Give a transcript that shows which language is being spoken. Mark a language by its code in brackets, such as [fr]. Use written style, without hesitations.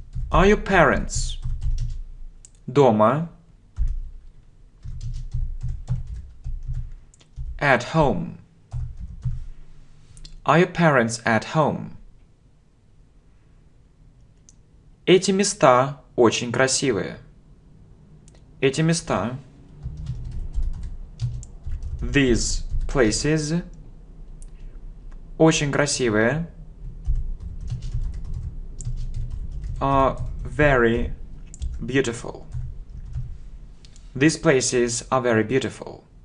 [en] Are your parents [ru] дома? [en] At home. Are your parents at home? [ru] Эти места очень красивые. Эти места. [en] These places [ru] очень красивые. [en] Are very beautiful. These places are very beautiful.